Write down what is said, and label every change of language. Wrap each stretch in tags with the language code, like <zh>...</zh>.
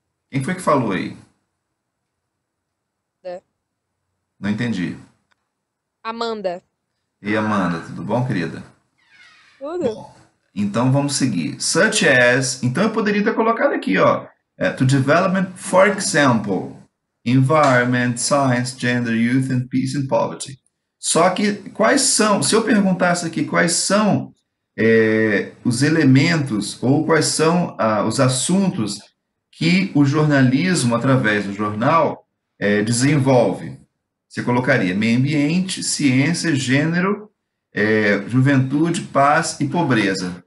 <pt>Quem foi que falou aí? Não entendi. Amanda, E Amanda, tudo bom, querida? tudo. Bom, então vamos seguir.</pt> <en>Such as,</en> <pt>então eu poderia ter colocado aqui, ó.</pt> <en>To development, for example, environment, science, gender, youth and peace and poverty.</en> <pt>Só que quais são, se eu perguntasse aqui quais são os elementos ou quais são os assuntos que o jornalismo, através do jornal, desenvolve? Você colocaria meio ambiente, ciência, gênero, juventude, paz e pobreza.</pt>